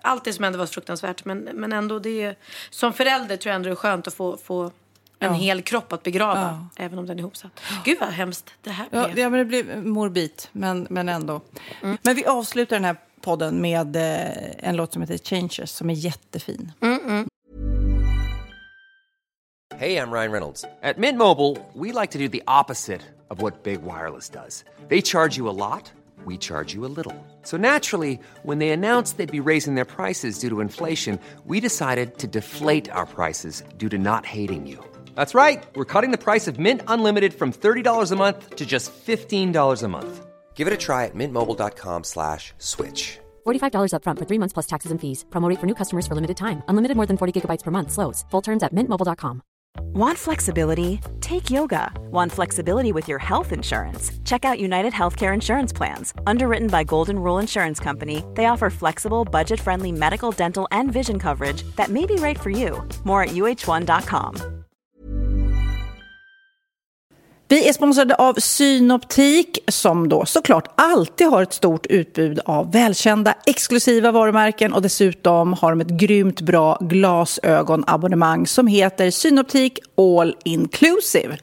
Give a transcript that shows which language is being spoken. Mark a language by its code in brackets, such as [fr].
[sv] Allt det som hände var fruktansvärt. Men ändå, det är, som förälder tror jag ändå det är skönt att få en hel kropp att begrava. Ja. Även om den är ihopsatt. Gud vad hemskt det här blev. Ja, men det blev morbid, men ändå. Mm. Men vi avslutar den här podden med en låt som heter Changes som är jättefin. [en] Hey, I'm Ryan Reynolds. At Mint Mobile, we like to do the opposite of what Big Wireless does. They charge you a lot, we charge you a little. So naturally, when they announced they'd be raising their prices due to inflation, we decided to deflate our prices due to not hating you. That's right. We're cutting the price of Mint Unlimited from $30 a month to just $15 a month. Give it a try at mintmobile.com/switch. $45 up front for 3 months plus taxes and fees. Promo rate for new customers for limited time. Unlimited more than 40 gigabytes per month. Slows. Full terms at mintmobile.com. Want flexibility? Take yoga. Want flexibility with your health insurance? Check out United Healthcare Insurance Plans. Underwritten by Golden Rule Insurance Company, they offer flexible, budget-friendly medical, dental, and vision coverage that may be right for you. More at uh1.com. [sv] Vi är sponsrade av Synoptik som då såklart alltid har ett stort utbud av välkända exklusiva varumärken och dessutom har de ett grymt bra glasögonabonnemang som heter Synoptik All Inclusive.